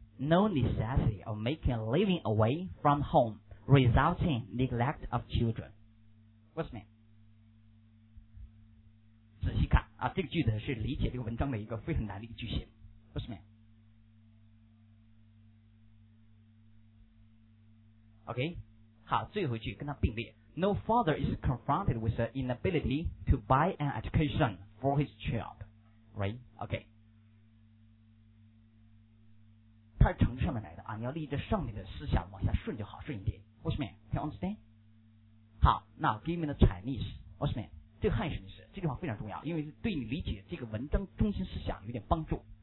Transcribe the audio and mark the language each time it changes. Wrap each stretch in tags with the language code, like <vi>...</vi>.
<en>No necessity of making a living away from home results in neglect of children。 What's mean?</en> <zh>仔细看啊，这个句子是理解这个文章的一个非常难的一个句型。</zh> <en>What's mean?</en> <zh>OK， 好，最后一句跟它并列。</zh> <en>No father is confronted with the inability to buy an education for his child, right?</en> <zh>OK， 他是从上面来的啊，你要立着上面的思想往下顺就好，顺一点。</zh> <en>What's mean? Can you understand?</en> <zh>好，那</zh> <en>give me the Chinese， what's mean？</en> <zh>这个汉语什么意思？这句话非常重要，因为对你理解这个文章中心思想有点帮助。</zh>